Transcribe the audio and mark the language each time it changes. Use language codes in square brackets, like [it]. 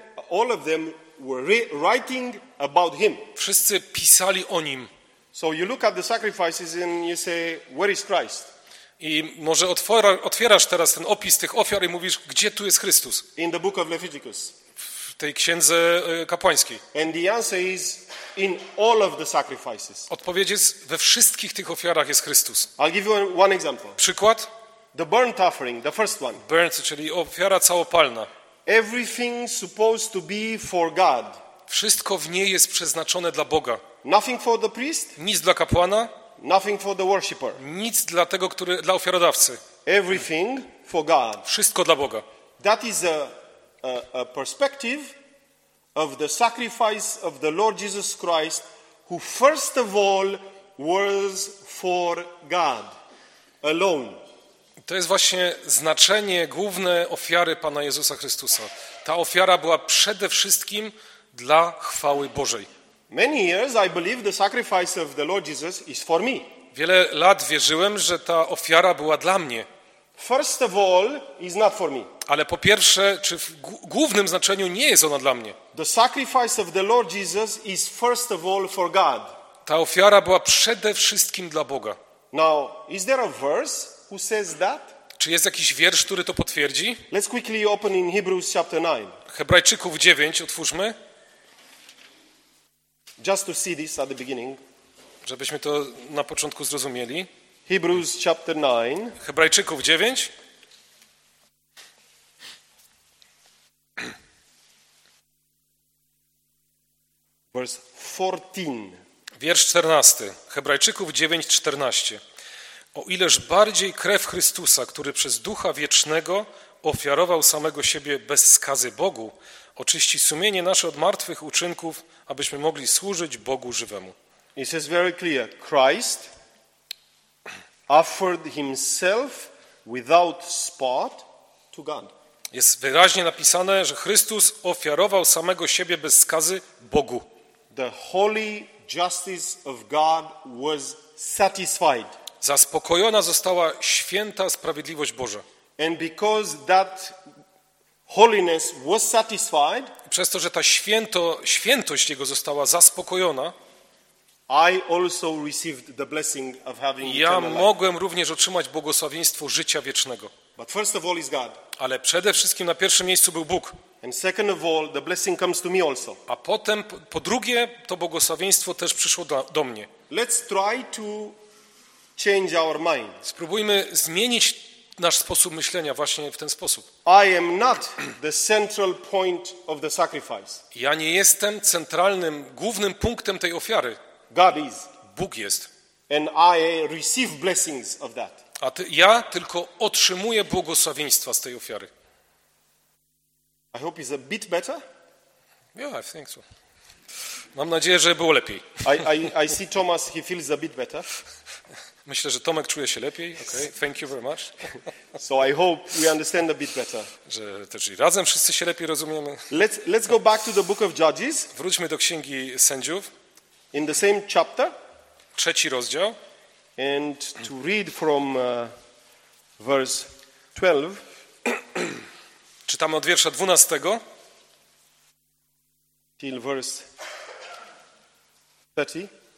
[en] all of them were writing about him. [pl] Wszyscy pisali o nim. [en] So you look at the sacrifices and you say, where is Christ? [pl] I może otwierasz teraz ten opis tych ofiar i mówisz, gdzie tu jest Chrystus? [en] In the book of Leviticus. [pl] Tej księdze kapłańskiej. [en] And the answer is in all of the sacrifices. [pl] Odpowiedź jest, we wszystkich tych ofiarach jest Chrystus. [en] I'll give you one example. [pl] Przykład. [en] The burnt offering, the first one. [pl] Burnt, czyli ofiara całopalna. [en] Everything supposed to be for God. [pl] Wszystko w niej jest przeznaczone dla Boga. [en] Nothing for the priest. [pl] Nic dla kapłana. [en] Nothing for the worshipper. [pl] Nic dla tego, który dla ofiarodawcy. [en] Everything for God. [pl] Wszystko dla Boga. [en] That is a perspective of the sacrifice of the Lord Jesus Christ, who first of all was for God alone. [pl] To jest właśnie znaczenie główne ofiary Pana Jezusa Chrystusa. Ta ofiara była przede wszystkim dla chwały Bożej. [en] Many years I believe the sacrifice of the Lord Jesus is for me. [pl] Wiele lat wierzyłem, że ta ofiara była dla mnie. [en] First of all, is not for me. [pl] Ale po pierwsze, czy w głównym znaczeniu nie jest ona dla mnie? [en] The sacrifice of the Lord Jesus is first of all for God. [pl] Ta ofiara była przede wszystkim dla Boga. [en] Now, is there a verse who says that? [pl] Czy jest jakiś wiersz, który to potwierdzi? [en] Let's quickly open in Hebrews chapter 9. [pl] Hebrajczyków 9 otwórzmy. [en] Just to see this at the beginning. [pl] Żebyśmy to na początku zrozumieli. [en] Hebrews chapter 9. [pl] Hebrajczyków 9. [en] Verse 14. [pl] Wiersz 14. Hebrajczyków 9:14. O ileż bardziej krew Chrystusa, który przez Ducha Wiecznego ofiarował samego siebie bez skazy Bogu, oczyści sumienie nasze od martwych uczynków, abyśmy mogli służyć Bogu żywemu. [en] It says very clear. Christ offered himself without spot to God. [pl] Jest wyraźnie napisane, że Chrystus ofiarował samego siebie bez skazy Bogu. [en] The holy justice of God was satisfied. [pl] Zaspokojona została święta sprawiedliwość Boża. [en] And because that holiness was satisfied, [pl] przez to, że ta świętość Jego została zaspokojona, [en] I also received the blessing of having [pl] ja [en] eternal life. [pl] Mogłem również otrzymać błogosławieństwo życia wiecznego. [en] But first of all is God. [pl] Ale przede wszystkim na pierwszym miejscu był Bóg. [en] And second of all, the blessing comes to me also. [pl] A potem, po drugie, to błogosławieństwo też przyszło do mnie. [en] Let's try to change our mind. [pl] Spróbujmy zmienić nasz sposób myślenia właśnie w ten sposób. [en] I am not the central point of the sacrifice. [pl] Ja nie jestem centralnym, głównym punktem tej ofiary. [en] God is. [pl] Bóg jest. [en] And I receive blessings of that. [pl] A ja tylko otrzymuję błogosławieństwa z tej ofiary. [en] I hope it's a bit better. Yeah, I think so. [pl] Mam nadzieję, że było lepiej. [en] I see Thomas, he feels a bit better. [pl] Myślę, że Tomek czuje się lepiej. [en] Okay. Thank you very much. So I hope we understand a bit better. [pl] Że też i razem wszyscy się lepiej rozumiemy. [en] Let's go back to the book of Judges. [pl] Wróćmy do Księgi Sędziów. [en] In the same chapter. [pl] Trzeci rozdział. [en] And to read from verse 12. [pl] Czytamy od wiersza 12. [en] Till verse 30.